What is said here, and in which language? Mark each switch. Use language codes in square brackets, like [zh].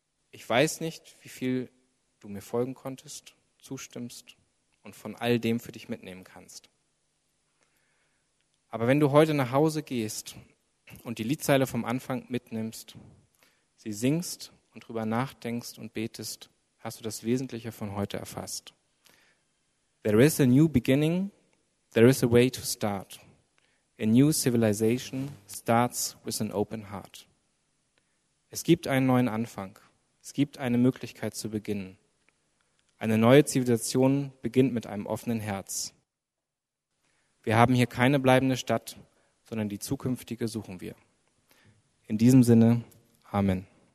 [de] Ich weiß nicht, wie viel du mir folgen konntest, zustimmst und von all dem für dich mitnehmen kannst. Aber wenn du heute nach Hause gehst und die Liedzeile vom Anfang mitnimmst, sie singst und drüber nachdenkst und betest, hast du das Wesentliche von heute erfasst. [en] There is a new beginning, there is a way to start. A new civilization starts with an open heart. [de] Es gibt einen neuen Anfang, es gibt eine Möglichkeit zu beginnen. Eine neue Zivilisation beginnt mit einem offenen Herz. Wir haben hier keine bleibende Stadt, sondern die zukünftige suchen wir. In diesem Sinne, Amen.